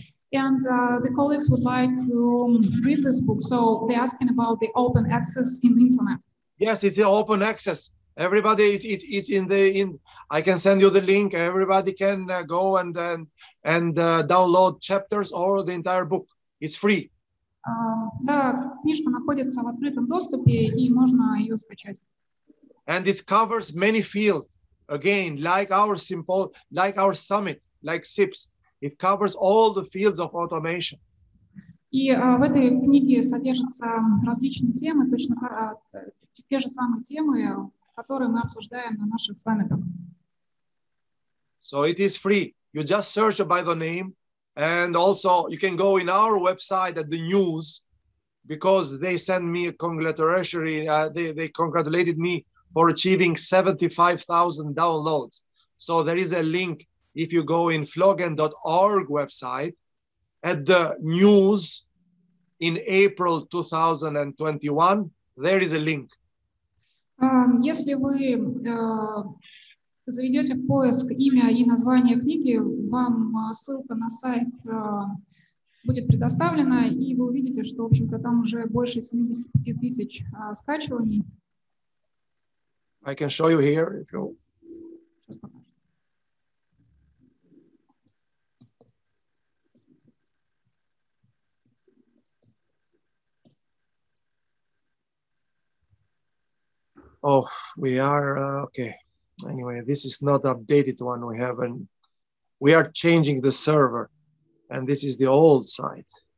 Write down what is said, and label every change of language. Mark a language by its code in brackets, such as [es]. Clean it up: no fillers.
[en] And the colleagues would like to read this book. So they're asking about the open access in the internet. Yes, it's the open access. Everybody is it's in the in. I can send you the link. Everybody can go and download chapters or the entire book. It's free. [ru] Да, книжка находится в открытом доступе и можно ее скачать. [en] And it covers many fields, again, like our simple, like our summit, like SIPS. It covers all the fields of automation. [ru] И в этой книге содержатся различные темы, точно те же самые темы, которые мы обсуждаем на наших саммитах. [en] So it is free. You just search by the name, and also you can go in our website at the news, because they sent me a congratulatory, they congratulated me for achieving 75,000 downloads. So there is a link, if you go in flogen.org website, at the news in April 2021, there is a link. [ru] Если вы заведете в поиск имя и название книги, вам ссылка на сайт будет предоставлена, и вы увидите, что, в общем-то, там уже больше 75 тысяч скачиваний. [en] I can show you here if you. Oh, we are okay. Anyway, this is not updated one we have, and we are changing the server, and this is the old site.